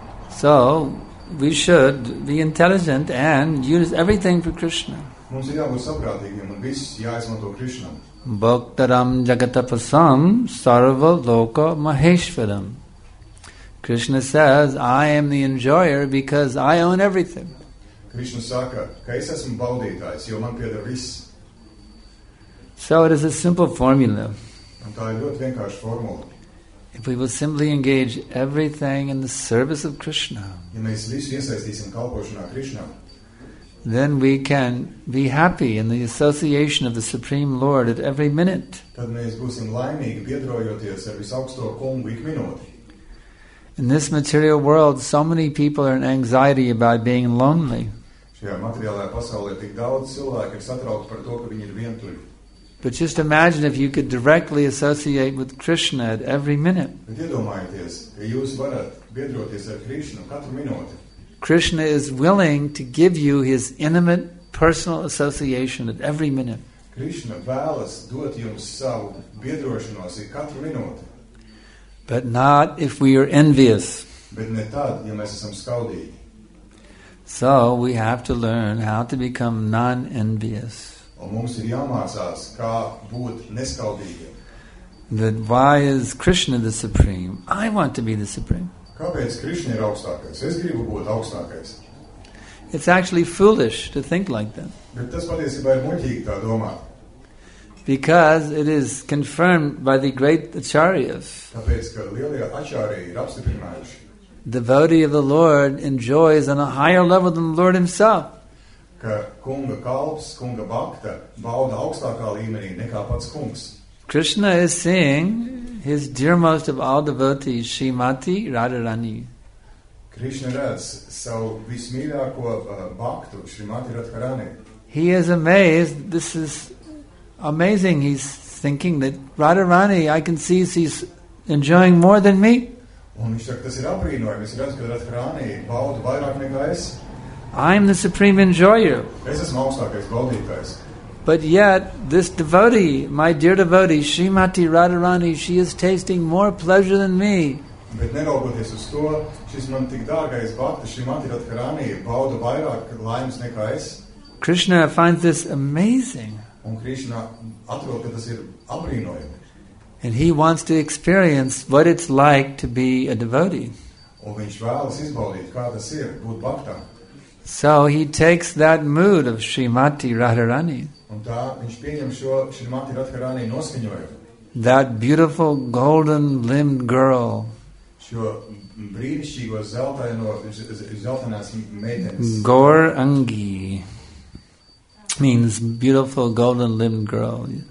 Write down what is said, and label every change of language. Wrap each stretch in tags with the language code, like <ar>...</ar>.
<en>So, we should be intelligent and use everything for Krishna.</en> <lv>Mums ir jābūt saprātīgiem un viss jāizmanto Krishnam.</lv> <sa>Bhaktaram jagatapasam sarva loka maheshvaram.</sa> <en>Krishna says, I am the enjoyer because I own everything.</en> <lv>Krishna saka, ka es esmu baudītājs, jo man pieder viss.</lv> <en>So it is a simple formula.</en> <lv>Un tā ir ļoti vienkārša formula.</lv> <en>If we will simply engage everything in the service of Krishna,</en> <lv>ja mēs visu iesaistīsim kalpošanā Krishna,</lv> <en>then we can be happy in the association of the Supreme Lord at every minute.</en> <lv>Tad mēs būsim laimīgi piedrojoties ar visaugsto kungu ik minūti.</lv> <en>In this material world, so many people are in anxiety about being lonely.</en> <lv>Šajā materiālajā pasaulē tik daudz cilvēku ir satraukti par to, ka viņi ir vientuļi.</lv> <en>But just imagine if you could directly associate with Krishna at every minute.</en> <lv>Bet iedomājieties, ja jūs varat biedroties ar Krishnu katru minūti.</lv> <en>Krishna is willing to give you his intimate personal association at every minute.</en> <lv>Krishna vēlas dot jums savu biedrošanos ik katru minūti.</lv> <en>But not if we are envious.</en> <lv>Bet ne tad, ja mēs esam skaudīgi.</lv> <en>So we have to learn how to become non-envious.</en> <lv>Un mums ir jāmācās, kā būt neskaudīgiem.</lv> <en>Then why is Krishna the supreme? I want to be the supreme.</en> <lv>Kāpēc Krishna ir augstākais? Es gribu būt augstākais.</lv> <en>It's actually foolish to think like that.</en> <lv>Bet tas patiesībā ir muļķīgi tā domāt.</lv> <en>Because it is confirmed by the great acharyas.</en> <lv>Tāpēc, ka lielie acharyi ir apstiprinājuši.</lv> <en>devotee of the Lord enjoys on a higher level than the Lord himself.</en> <lv>Ka kunga kalps, kunga bhakta, bauda augstākā līmenī nekā pats kungs.</lv> <en>Krishna is saying his dearmost of all devotees, Shrimati Radharani.</en> <lv>Krishna redz savu vismīļāko bhaktu, Shrimati Radharani.</lv> <en>He is amazed. This is amazing. He's thinking that Radharani, I can see she's enjoying more than me.</en> <lv>Un viņš saka, tas ir aprīnojami. Es redzu, ka Radharani bauda vairāk nekā es.</lv> <en>I'm the supreme enjoyer.</en> <lv>Es esmu augstākais baudītājs.</lv> <en>But yet, this devotee, my dear devotee, Shrimati Radharani, she is tasting more pleasure than me.</en> <lv>Bet neraugoties uz to, šis man tik dārgais bhakta, Shrimati Radharani, bauda vairāk laimes nekā es.</lv> <en>Krishna finds this amazing.</en> <lv>Un Krishna atrod, ka tas ir aprīnojami.</lv> <en>And he wants to experience what it's like to be a devotee.</en> <lv>Un viņš vēlas izbaudīt, kā tas ir, būt bhaktā.</lv> <en>So he takes that mood of Shrimati Radharani.</en> <lv>Un tā, viņš pieņem šo Shrimati Radharani noskaņojumu.</lv> <en>That beautiful golden-limbed girl.</en> <lv>Šo brīnišķīgo zeltainās meitenes.</lv> <en>Gaurangi means beautiful golden-limbed girl.</en>